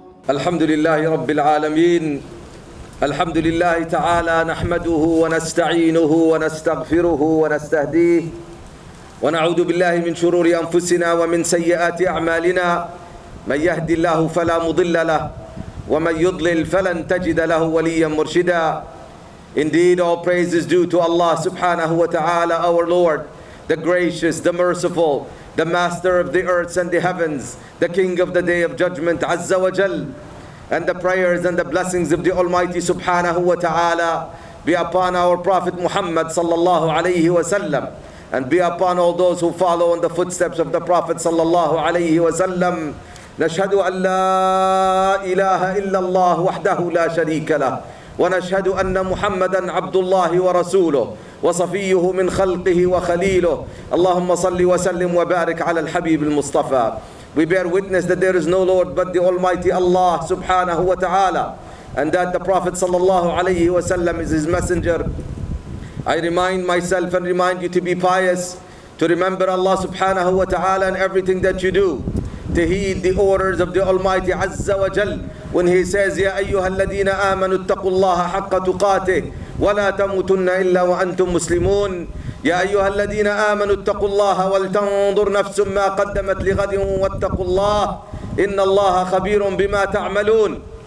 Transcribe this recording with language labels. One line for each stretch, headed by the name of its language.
Arabic: الحمد لله رب العالمين، الحمد لله تعالى، نحمده ونستعينه ونستغفره ونستهديه، ونعوذ بالله من شرور أنفسنا ومن سيئات أعمالنا. من يهد الله فلا مضل له، ومن يضلل فلن تجد له وليا مرشدا.
English: Indeed, all praise is due to Allah subhanahu wa ta'ala, our Lord, the gracious, the merciful, the master of the earths and the heavens, the king of the day of judgment, Azza wa Jal. And the prayers and the blessings of the Almighty subhanahu wa ta'ala be upon our Prophet Muhammad sallallahu alayhi wa sallam, and be upon all those who follow in the footsteps of the Prophet sallallahu alayhi wa sallam.
Arabic: Nashhadu an la ilaha illallah wahdahu la sharika lah, wa nashhadu anna Muhammadan abdullahi wa rasuluh, وصفيه من خلقه وخليله. اللهم صل وسلم وبارك على الحبيب المصطفى.
English: We bear witness that there is no Lord but the Almighty Allah subhanahu wa ta'ala, and that the Prophet sallallahu alayhi wa sallam is his messenger. I remind myself and remind you to be pious, to remember Allah subhanahu wa ta'ala in everything that you do, to heed the orders of the Almighty Azza wa Jal when he says,
Arabic: يا أيها الذين آمنوا اتقوا الله حق تقاته ولا تموتن إلا وأنتم مسلمون. يا أيها الذين آمنوا اتقوا الله ولتنظر نفس ما قدمت لغد واتقوا الله إن الله خبير بما تعملون.